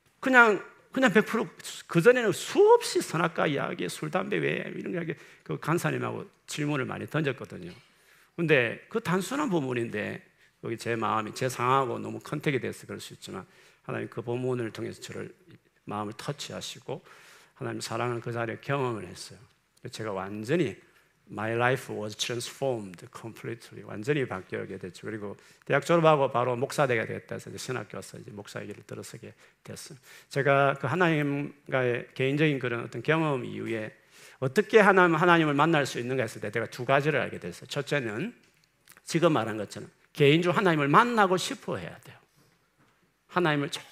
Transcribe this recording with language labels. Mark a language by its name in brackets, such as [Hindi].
[Korean] 그냥 100% 그전에는 수없이 선악과 이야기, 술, 담배 왜 이런 이야기 그 간사님하고 질문을 많이 던졌거든요. 근데 그 단순한 본문인데 거기 제 마음이 제 상하고 너무 컨택이 돼서 그럴 수 있지만 하나님 그 본문을 통해서 저를 마음을 터치하시고 하나님 사랑을 그 자리에 경험을 했어요. 제가 완전히 [English] My life was transformed completely. [Korean] 완전히 바뀌게 됐죠. 그리고 대학 졸업하고 바로 목사되게 됐다 해서 신학교 와서 이제 목사 얘기를 들어서게 됐어요. 제가 그 하나님과의 개인적인 그런 어떤 경험 이후에 어떻게 하나님을 만날 수 있는가 했을 때 제가 두 가지를 알게 됐어요. 첫째는 지금 말한 것처럼 개인적으로 하나님을 만나고 싶어 해야 돼요. 하나님을